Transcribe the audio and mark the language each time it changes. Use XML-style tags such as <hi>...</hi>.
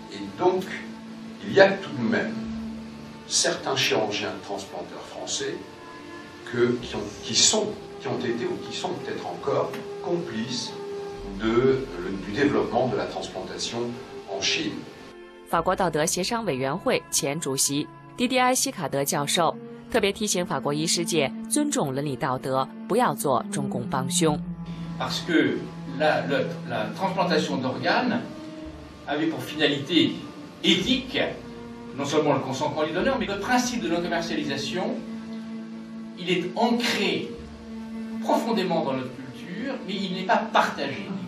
<fr>Et donc, il y a tout de même certains chirurgiens transplanteurs français qui sont peut-être encore complices du développement de la transplantation en Chine.</fr> <zh>法国道德协商委员会前主席 DDI 西卡德教授。特别提醒法国医师界尊重伦理道德，不要做中共帮凶。</zh> <fr>Parce que la transplantation d'organes avait pour finalité éthique non seulement le consentement du donneur, mais le principe de non-commercialisation, il est ancré profondément dans notre culture, mais il n'est pas partagé.</fr>